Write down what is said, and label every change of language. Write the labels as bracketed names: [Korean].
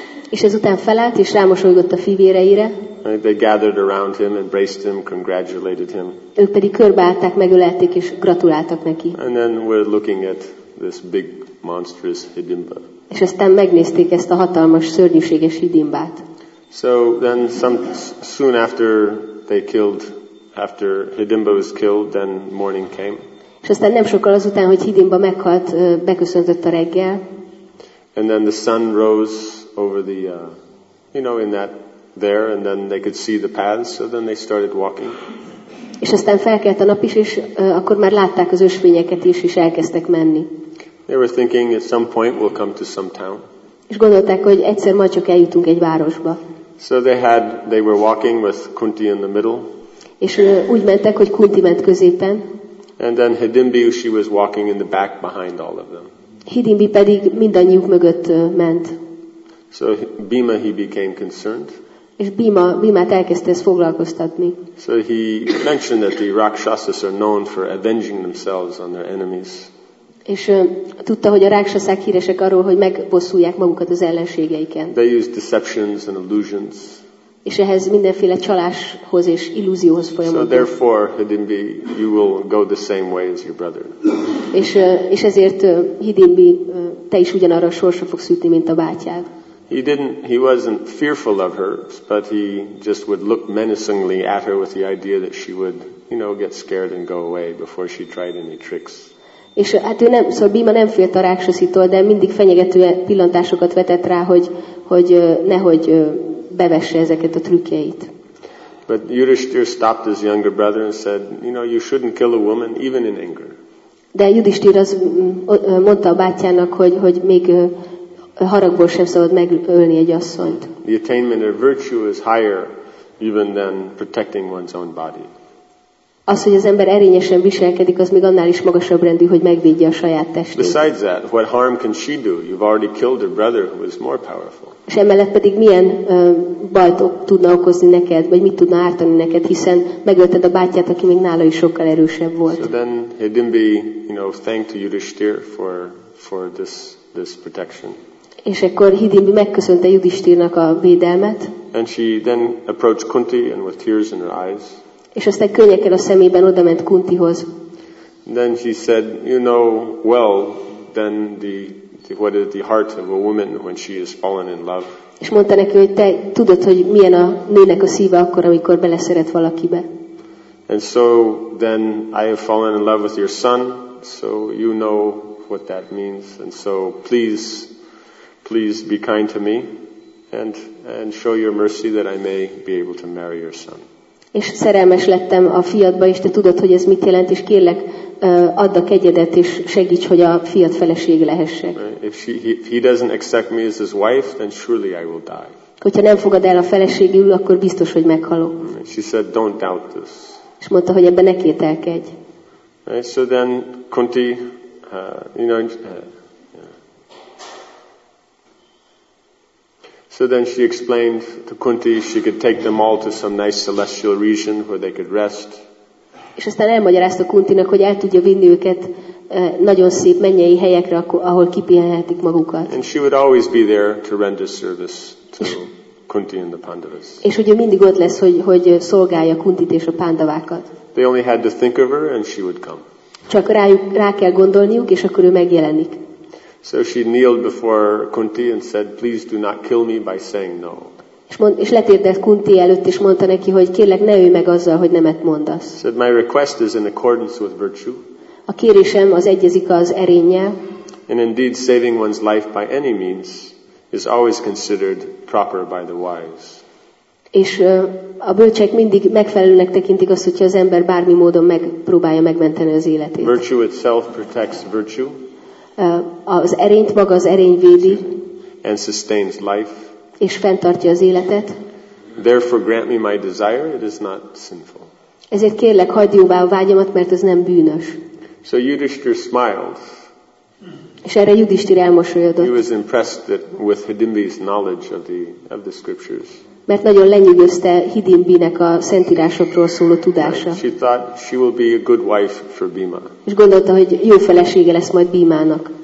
[Hungarian] És ezután felállt és rámosolygott a fivéreire. [English] Right, they gathered around him, embraced him, congratulated him. [Hungarian] Ők pedig körbeállták, megölelték és gratuláltak neki. [English] And then we're looking at this big monstrous Hidimba. [Hungarian] És aztán megnézték ezt a hatalmas, szörnyűséges Hidimbát. [English] So then soon after they killed, after Hidimba was killed, then morning came. [Hungarian] És aztán nem sokkal azután, hogy Hidimba meghalt, beköszöntött a reggel. [English] And then the sun rose over the, you know, in that there, and then they could see the paths, so then they started walking. [Hungarian] És aztán felkelt a nap is, és akkor már látták az ösvényeket is, és elkezdtek menni. [English] They were thinking at some point we'll come to some town. [Hungarian] És gondolták, hogy egyszer majd csak eljutunk egy városba. [English] So they were walking with Kunti in the middle. [Hungarian] És úgy mentek, hogy Kunti ment középen. [English] And then Hidimbi, she was walking in the back behind all of them. [Hungarian] Hidimbi pedig mindannyiuk mögött ment. [English] So Bhima, he became concerned. [Hungarian] És Bhimát elkezdte ezt foglalkoztatni. [English] So he mentioned that the Rakshasas are known for avenging themselves on their enemies. [Hungarian] És tudta, hogy a rákshaszák híresek arról, hogy megbosszulják magukat az ellenségeiken. [English] They use deceptions and illusions. [Hungarian] És ehhez mindenféle csaláshoz és illúzióhoz folyamodik. [English] So therefore, Hidimbi, you will go the same way as your brother. [Hungarian] És ezért Hidimbi, te is ugyanarra a sorsra fogsz ütni, mint a bátyád. [English] He wasn't fearful of her, but he just would look menacingly at her with the idea that she would, you know, get scared and go away before she tried any tricks. [Hungarian] És hát ő nem, szóval Bhima nem félt a rákshaszitól, de mindig fenyegető pillantásokat vetett rá, hogy nehogy bevesse ezeket a trükkjeit. [English] But Yudhisthira stopped his younger brother and said, you know, you shouldn't kill a woman even in anger. [Hungarian] De Yudhisthira az mondta a bátyának, hogy még haragból sem szabad megölni egy asszonyt. [English] The attainment of virtue is higher even than protecting one's own body. [Hungarian] Az, hogy az ember erényesen viselkedik, az még annál is magasabb rendű, hogy megvédje a saját testét. [English] Besides that, what harm can she do? You've already killed her brother who is more powerful. [Hungarian] És emellett pedig milyen bajt tudna okozni neked, vagy mit tudna ártani neked, hiszen megölted a bátyát, aki még nála is sokkal erősebb volt. [English] So then Hidimbi, you know, thanked Yudhisthira for this protection. [Hungarian] És akkor Hidimbi megköszönte Yudhisthirának a védelmet. [English] And she then approached Kunti and with tears in her eyes. [Hungarian] És aztán könnyekkel a szemében odament Kuntihoz. [English] Then she said, you know, well, then the what is the heart of a woman when she has fallen in love? [Hungarian] És mondta neki, hogy te tudod, hogy milyen a nőnek a szíve akkor, amikor beleszeret valakibe. [English] And so then I have fallen in love with your son, so you know what that means, and so please be kind to me, and show your mercy that I may be able to marry your son. [Hungarian] És szerelmes lettem a fiadba, és te tudod, hogy ez mit jelent, és kérlek, add a kegyedet, és segíts, hogy a fiad felesége lehessek. [English] If he doesn't accept me as his wife, then surely I will die. [Hungarian] Hogyha nem fogad el a feleségül, akkor biztos, hogy meghalok. [English] She said, don't doubt this. [Hungarian] És mondta, hogy ebben ne kételkedj. [English] Right, so then Kunti, you know, So then she explained to Kunti she could take them all to some nice celestial region where they could rest. [Hungarian] És aztán elmagyarázta Kuntinak, hogy el tudja vinni őket nagyon szép mennyei helyekre, ahol kipihenhetik magukat. [English] And she would always be there to render service to Kunti and the Pandavas. [Hungarian] És ugye mindig ott lesz, hogy szolgálja Kuntit és a Pandavákat. [English] They only had to think of her and she would come. [Hungarian] Csak rá kell gondolniuk, és akkor ő megjelenik. [English] So she kneeled before Kunti and said, "Please do not kill me by saying no." [Hungarian] És letérdelt Kunti előtt, és mondta neki, hogy kérlek, ne ülj meg azzal, hogy nemet mondasz. [English] Said, "My request is in accordance with virtue." [Hungarian] A kérésem az egyezik az erénnyel. [English] And indeed, saving one's life by any means is always considered proper by the wise. [Hungarian] És a bölcsek mindig megfelelőnek tekintik azt, hogyha az ember bármi módon megpróbálja megmenteni az életét. [English] Virtue itself protects virtue. [Hungarian] Az erényt maga az erény védi. [English] And sustains life. [Hungarian] És fenntartja az életet. [English] Therefore grant me my desire, it is not sinful. [Hungarian] Ezért kérlek, hagyd jóvá a vágyamat, mert ez nem bűnös. [English] So Yudhishthir smiled. [Hungarian] És erre Yudhishthir elmosolyodott. [English] He was impressed with Hidimbi's knowledge of the scriptures. [Hungarian] Mert nagyon lenyűgözte Hidimbinek a szentírásokról szóló tudása. [English] She thought she will be a good wife for Bhima. [Hungarian] És gondolta, hogy jó felesége lesz majd Bhimának.